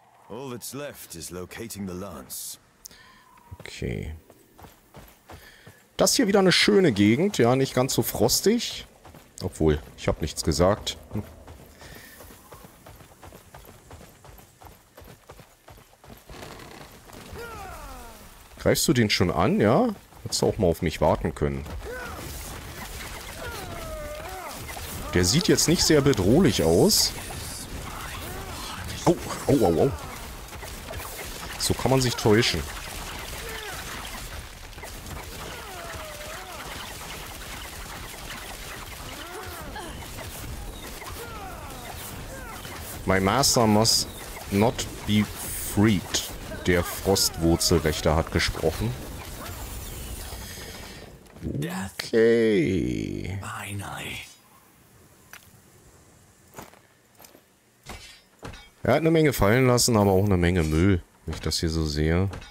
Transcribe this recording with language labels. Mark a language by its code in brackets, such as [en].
[en] All that's left is locating the lance. Okay. [de] Das hier wieder eine schöne Gegend, ja, nicht ganz so frostig. Obwohl, ich habe nichts gesagt. Greifst du den schon an, ja? Hättest du auch mal auf mich warten können. Der sieht jetzt nicht sehr bedrohlich aus. Oh, oh, oh, oh. So kann man sich täuschen. [en] My master must not be freed. [de] Der Frostwurzelwächter hat gesprochen. Okay. Er hat eine Menge fallen lassen, aber auch eine Menge Müll, wenn ich das hier so sehe.